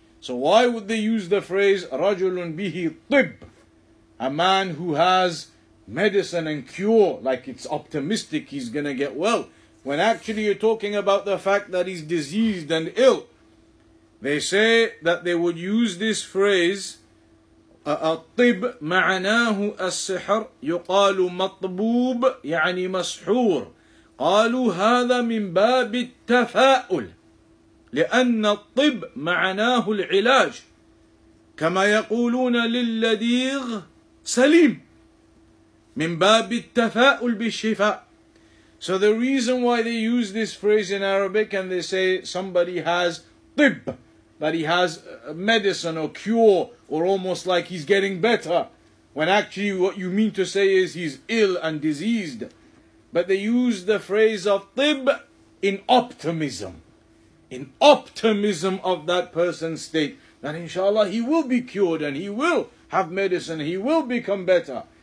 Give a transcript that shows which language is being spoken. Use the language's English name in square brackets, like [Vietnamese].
[English] So why would they use the phrase [Arabic] Rajulun bihi tib? [English] A man who has medicine and cure, like it's optimistic he's gonna get well. When actually you're talking about the fact that he's diseased and ill. They say that they would use this phrase. [Arabic] الطب معناه السحر يقال مطبوب يعني مسحور قالوا هذا من باب التفاؤل لأن الطب معناه العلاج كما يقولون للذيغ سليم من باب التفاؤل بالشفاء. [English] So the reason why they use this phrase in Arabic and they say somebody has طب, that he has medicine or cure, or almost like he's getting better, when actually what you mean to say is he's ill and diseased. But they use the phrase of tib in optimism of that person's state, that inshallah he will be cured and he will have medicine, he will become better.